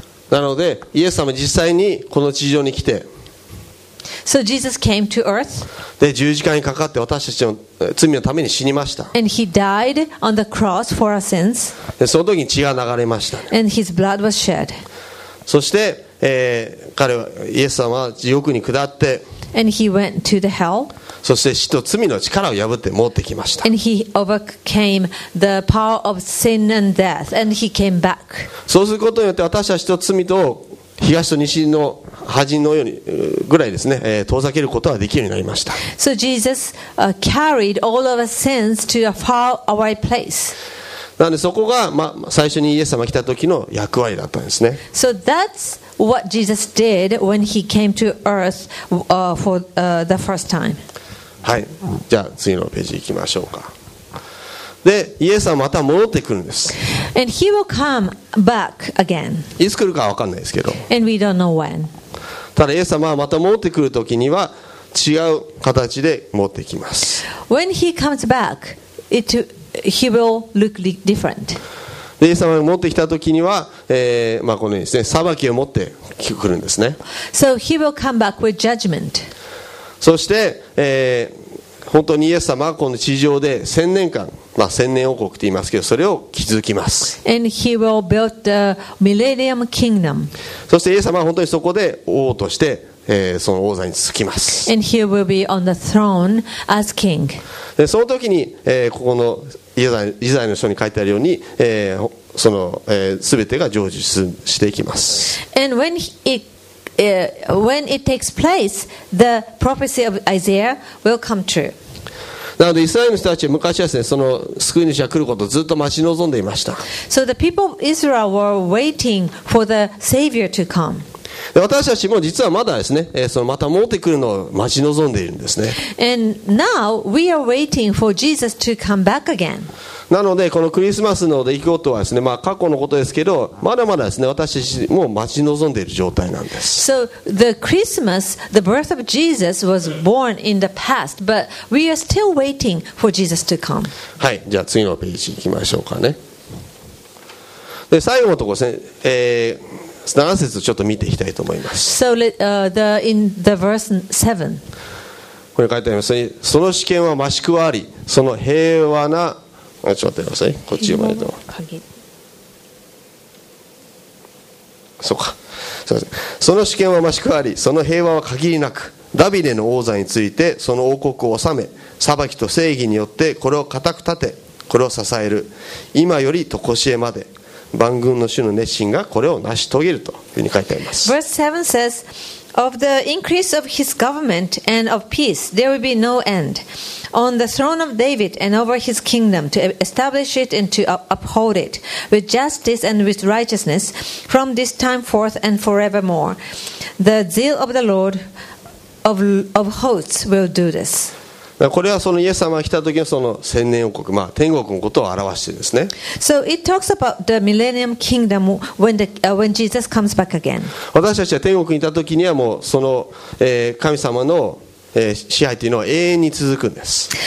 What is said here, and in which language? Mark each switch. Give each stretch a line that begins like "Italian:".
Japanese: なのでイエス様実際にこの地上に来て、
English: So Jesus came to earth.
Japanese: で十字架にかかって私たちの罪のために死にました。
English: And he died on the cross for our sins.
Japanese: でその時に血が流れました。
English: And his blood was shed.
Japanese: そして、彼はイエス様は地獄に下って
English: And he went to the hell.
Japanese: そして死と罪の力を破って持ってきました。
English: And he overcame the power of sin and death, and he came back.
Japanese: そうすることによって私は死と罪と東と西の端のようにぐらいですね、遠ざけることができるようになりました。
English: So Jesus carried all of our sins to a far away place.
Japanese: なのでそこが、まあ、最初にイエス様が来た時の役割だったんですね。
English: So that'sWhat Jesus did when he came to earth for the first time.
Japanese: はい、じゃあ次のページ行きましょうか。で、イエスはまた戻ってくるんです。
English: And he will come back again.
Japanese: いつ来るかは分かんないですけど。
English: And we don't know when.
Japanese: ただイエス様はまた戻ってくるときには違う形で戻ってきます。
English: When he comes back, he will look different.
Japanese: イエス様が持ってきたときには、まあ、このようにですね、裁きを持ってくるんですね。
English: So he will come back with judgment.
Japanese: そして、本当にイエス様はこの地上で千年間、まあ、千年王国と言いますけど、それを築きます。
English: And he will build the millennium kingdom.
Japanese: そしてイエス様は本当にそこで王として、その王座に就きます。
English: And he will be on the throne as king.
Japanese: でその時に、ここのイザヤの書に書いてあるように、その、全てが成就していきます。
English: And when when it takes place, the prophecy of Isaiah will come true.
Japanese: なのでイスラエルの人たちは昔はですね、その救い主が来ることをずっと待ち望んでいました。
English: So the people of Israel were waiting for the Savior to come.
Japanese: 私たちも実はまだですね、そのまた戻ってくるのを待ち望んでいるんですね。
English: And now we are waiting for Jesus to come back again.
Japanese: なのでこのクリスマスの出来事はですね、まあ、過去のことですけど、まだまだですね、私たちも待ち望んでいる状態なんです。
English: So the Christmas, the birth of Jesus was born in the past, but we are still waiting for Jesus to come.
Japanese: はい、じゃあ次のページ行きましょうかね。で最後のところですね。 7節をちょっと見ていきたいと思います。
English: So, in the verse 7.
Japanese: ここに書いてありますね。その主権は増し加わり、その平和な、ちょっと待ってください。こっち読まれると。そうか。すみません。その主権は増し加わり、その平和は限りなく、ダビデの王座について、その王国を治め、裁きと正義によってこれを固く立て、これを支える。今より常しえまで。万軍の主の熱心がこれを成し遂げるというふうに書いてあります。
English: Verse 7 says, Of the increase of his government and of peace, there will be no end. On the throne of David and over his kingdom, to establish it and to uphold it with justice and with righteousness from this time forth and forevermore. The zeal of the Lord of hosts will do this.
Japanese: これはそのイエス様が来た時のその千年王国、まあ、天国のことを表しているんですね。
English: So it talks about the millennium kingdom when Jesus comes back again.
Japanese: 私たちは天国にいた時にはもうその、神様の、支配というのは永遠に続くんです。